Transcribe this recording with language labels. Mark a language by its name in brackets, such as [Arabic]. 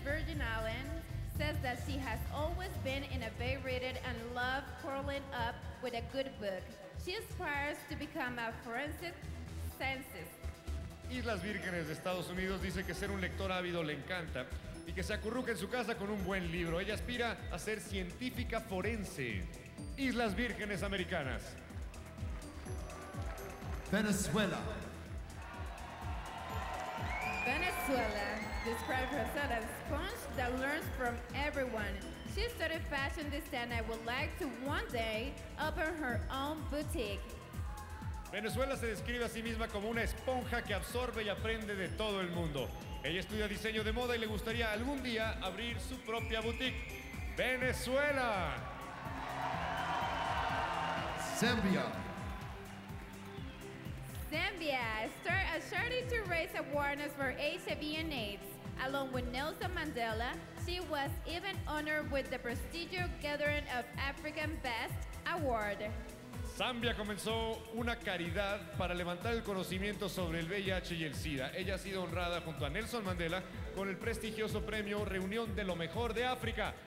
[English] Virgin Islands says that she has always been in a bay rated and loved curling up with a good book. She aspires to become a forensic scientist. [Spanish] Islas Vírgenes de Estados Unidos dice que ser un lector ávido le encanta y que se acurruca en su casa con un buen libro. Ella aspira a ser científica forense. Islas Vírgenes Americanas. [English] Venezuela. Venezuela describes herself as a sponge that learns from everyone. She studied fashion design and would like to one day open her own boutique. [Spanish] Venezuela se describe a sí misma como una esponja que absorbe y aprende de todo el mundo. Ella estudia diseño de moda y le gustaría algún día abrir su propia boutique. ¡Venezuela! [English] Zambia. Zambia started a charity to raise awareness for HIV and AIDS. Along with Nelson Mandela, she was even honored with the prestigious Gathering of African Best Award. [Spanish] Zambia comenzó una caridad para levantar el conocimiento sobre el VIH y el SIDA. Ella ha sido honrada junto a Nelson Mandela con el prestigioso premio Reunión de lo Mejor de África.